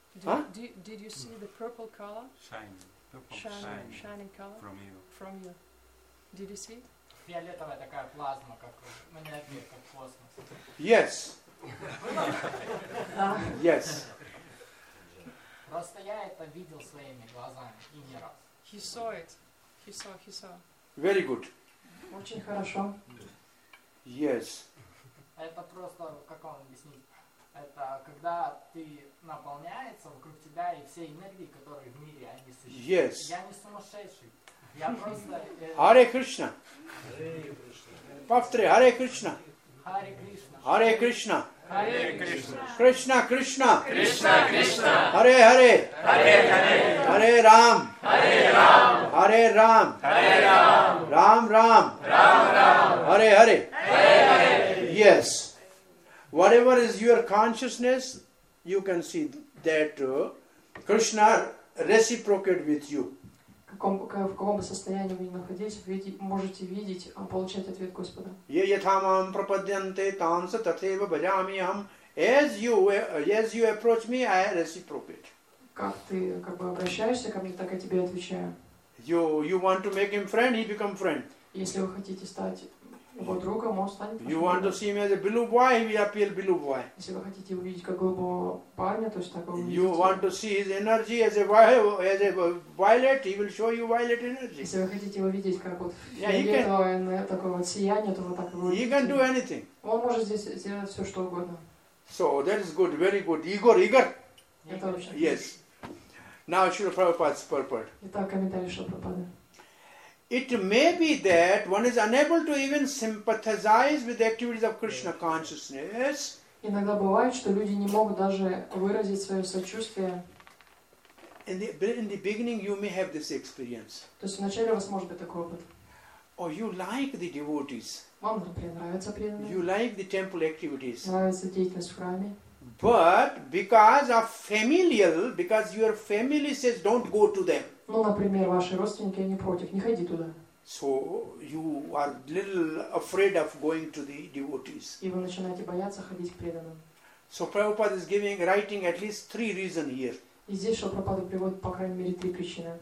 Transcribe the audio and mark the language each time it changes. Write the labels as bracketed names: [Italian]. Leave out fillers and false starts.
[English] Did you see the purple color? Shining color from you. Did you see? [Russian] Фиолетовая такая плазма, как энергия, как космос. [English] Yes. Yes. [Russian] Просто я это видел своими глазами и не раз. [English] He saw it. He saw. Very good. [Russian] Очень хорошо. [English] Yes. [Russian] Это просто, как вам объяснить? Это когда ты наполняется вокруг тебя и все энергии, которые в мире, они существуют. [English] Yes. [Russian] Я не сумасшедший. Я просто... Харе Кришна. Повтори, Харе Кришна. Харе Кришна. Харе Кришна. Харе Кришна. Кришна, Кришна. Кришна, Кришна. Харе, Харе. Харе, Харе. Харе Рам. Харе Рам. Харе Рам. Харе Рам. Рам, Рам. Рам, Рам. Харе, Харе. Харе, Харе. [English] Yes. Whatever is your consciousness, you can see that Krishna reciprocate with you. [Russian] В каком бы состоянии вы ни находились, вы можете видеть, получать ответ Господа. [Sanskrit] Ye yathamam prapadyante tamsa tatheva bhajami aham. [English] As you approach me, I reciprocate. [Russian] Как ты как бы обращаешься ко мне, так я тебе отвечаю. [English] You want to make him friend, he become friend. [Russian] Если вы хотите стать его другом, он станет. [English] You want to see me as a blue boy, he appear blue boy. [Russian] Если вы хотите увидеть как голубого парня, то есть такого. [English] You want to see his energy as a violet, he will show you violet energy. [Russian] Если вы хотите увидеть как вот фиолетовое такого сияния, то вот так его. [English] He can do anything. [Russian] Он может здесь сделать все что угодно. [English] So that is good, very good. Igor, Igor. Yes. Now Srila Prabhupada's purport. [Russian] Итак, комментарий Шрила Прабхупады. [English] It may be that one is unable to even sympathize with the activities of Krishna consciousness. [Russian] Иногда бывает, что люди не могут даже выразить свое сочувствие. [English] In the beginning, you may have this experience. [Russian] То есть вначале у вас может быть такой опыт. [English] Or you like the devotees. [Russian] Вам, например, нравятся преданные. [English] You like the temple activities. [Russian] Нравится деятельность в храме. [English] But because of familial, because your family says don't go to them. [Russian] Ну, например, ваши родственники не против, не ходи туда. [English] So you are little afraid of going to the devotees. [Russian] И вы начинаете бояться ходить к преданным. [English] So Prabhupada is giving, writing at least three reasons here. [Russian] И здесь Шрила Прабхупада приводит по крайней мере три причины.